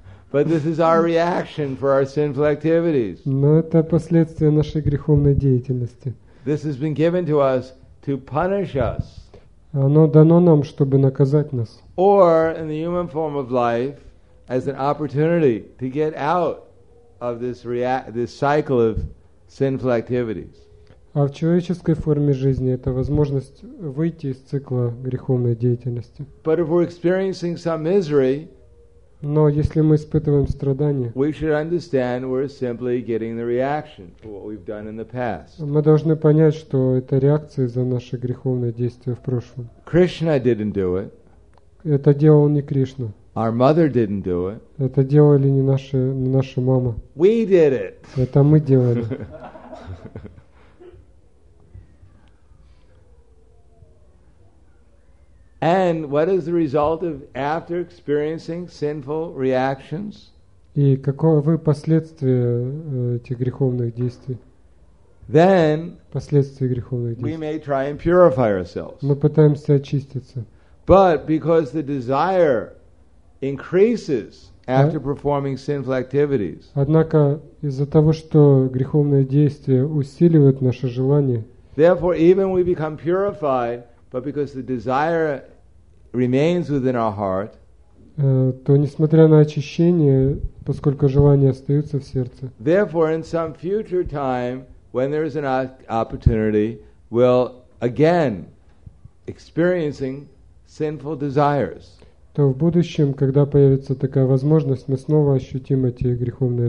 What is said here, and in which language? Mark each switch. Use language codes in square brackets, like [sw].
[en] But this is our reaction for our sinful activities. [ru] Но это последствия нашей греховной деятельности. [en] This has been given to us to punish us. [ru] Оно дано нам, чтобы наказать нас. [en] Or in the human form of life, as an opportunity to get out of this cycle of sinful activities. [ru] А в человеческой форме жизни это возможность выйти из цикла греховной деятельности. [en] But if we're experiencing some misery, [ru] Но если мы испытываем страдания, [en] we should understand we're simply getting the reaction for what we've done in the past. [ru] Мы должны понять, что это реакция за наши греховные действия в прошлом. [en] Krishna didn't do it. [ru] Это делал не Кришна. [en] Our mother didn't do it. [ru] Это делали не наша мама. [en] We did it. [ru] Это мы делали. [en] And what is the result of after experiencing sinful reactions? [ru] И каковы последствия этих греховных действий? [en] Then [ru] последствия греховных действий. [en] We may try and purify ourselves. [ru] Мы пытаемся очиститься. [en] But because the desire increases after performing sinful activities. [ru] Однако из-за того, что греховные действия усиливают наше желание. [en] Therefore, even we become purified, but because the desire remains within our heart. [ru] То несмотря на очищение, поскольку желание остается в сердце. [en] Therefore, in some future time, when there is an opportunity, we'll again experiencing sinful desires. [ru] То в будущем, когда появится такая возможность, мы снова ощутим эти греховные